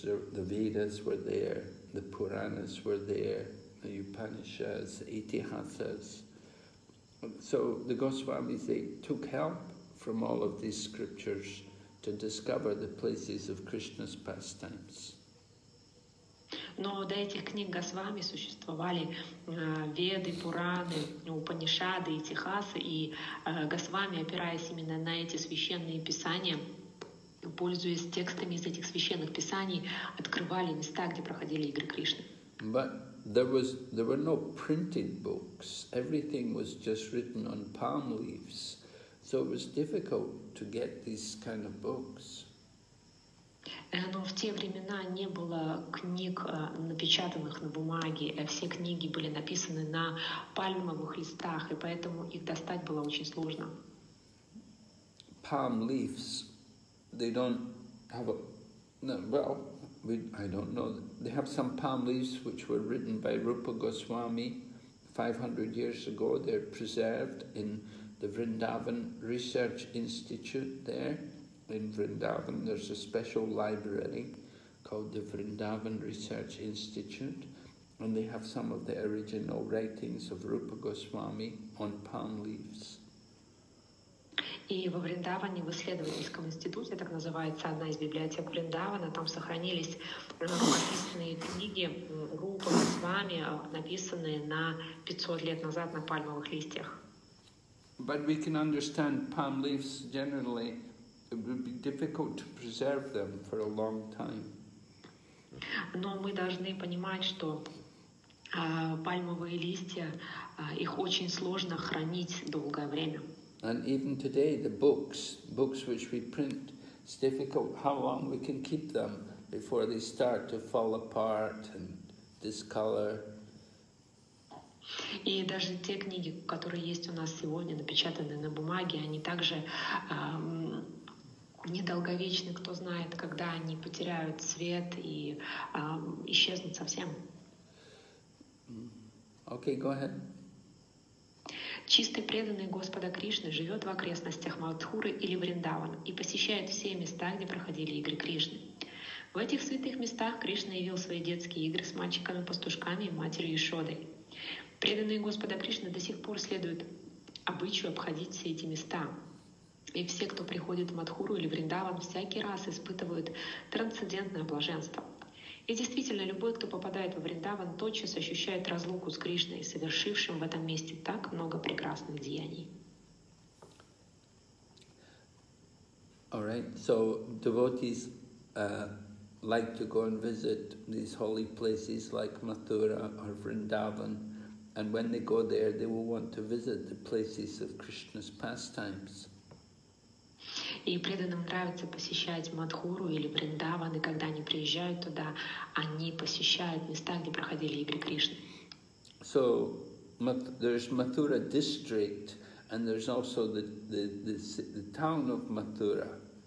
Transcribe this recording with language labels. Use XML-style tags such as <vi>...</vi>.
<en>The Vedas were there, the Puranas were there, the Upanishads, the Itihasas. So the Goswamis, they took help from all of these scriptures to discover the places of Krishna's pastimes.</en> <ru>Но до этих книг Госвами существовали Веды, Пураны, Упанишады, Итихасы, и Госвами, опираясь именно на эти священные писания, пользуясь текстами из этих священных писаний, открывали места, где проходили игры Кришны.</ru> <en>But there were no printed books. Everything was just written on palm leaves. So it was difficult to get these kind of books.</en> <ru>Но в те времена не было книг, напечатанных на бумаге. Все книги были написаны на пальмовых листах, и поэтому их достать было очень сложно.</ru> <en>Palm leaves, they don't have a... No, well, we, I don't know. They have some palm leaves which were written by Rupa Goswami 500 years ago. They're preserved in the Vrindavan Research Institute there. In Vrindavan, there's a special library called the Vrindavan Research Institute, and they have some of the original writings of Rupa Goswami on palm leaves.</en> <ru>И во Вриндаване, в исследовательском институте, так называется одна из библиотек Вриндавана, там сохранились рукописные книги Рупа Госвами, написанные на 500 лет назад на пальмовых листьях.</ru> <en>But we can understand palm leaves generally, it would be difficult to preserve them for a long time.</en> <ru>Но мы должны понимать, что пальмовые листья, их очень сложно хранить долгое время.</ru> <en>And even today, the books which we print, it's difficult how long we can keep them before they start to fall apart and discolor.</en> <ru>И даже те книги, которые есть у нас сегодня, напечатанные на бумаге, они также недолговечны, кто знает, когда они потеряют цвет и исчезнут совсем.</ru> <en>Okay, go ahead.</en> <ru>Чистый преданный Господа Кришны живет в окрестностях Матхуры или Вриндаван и посещает все места, где проходили игры Кришны. В этих святых местах Кришна явил свои детские игры с мальчиками-пастушками и матерью Ишодой. Преданные Господа Кришны до сих пор следуют обычаю обходить все эти места. И все, кто приходит в Мадхуру или Вриндаван, всякий раз испытывают трансцендентное блаженство. И действительно, любой, кто попадает во Вриндаван, тотчас ощущает разлуку с Кришной, совершившим в этом месте так много прекрасных деяний.</ru> <en>All right, so devotees like to go and visit these holy places like Mathura or Vrindavan, and when they go there, they will want to visit the places of Krishna's pastimes.</en> <ru>И преданным нравится посещать Мадхуру или Вриндаван, и когда они приезжают туда, они посещают места, где проходили игры Кришны.</ru> <en>So, there's Mathura district, and there's also the town of Mathura.</en>